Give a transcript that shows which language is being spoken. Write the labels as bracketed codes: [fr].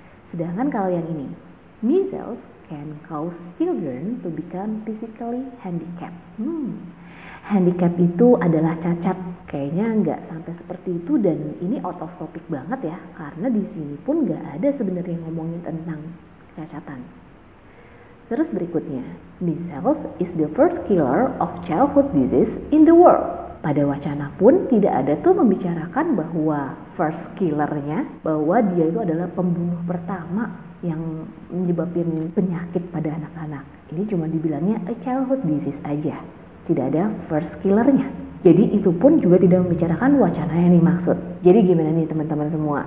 [id] Sedangkan kalau yang ini, [en] measles can cause children to become physically handicapped. [id] Handicap itu adalah cacat. Kayaknya nggak sampai seperti itu dan ini [en] out of topic [id] banget ya. Karena di sini pun nggak ada sebenarnya ngomongin tentang kecacatan. Terus berikutnya, [en] measles is the first killer of childhood disease in the world. [id] Pada wacana pun tidak ada tuh membicarakan bahwa first killernya, bahwa dia itu adalah pembunuh pertama yang menyebabkan penyakit pada anak-anak. Ini cuma dibilangnya [en] a childhood disease [id] aja. Tidak ada first killernya. Jadi itu pun juga tidak membicarakan wacana yang dimaksud. Jadi gimana nih teman-teman semua?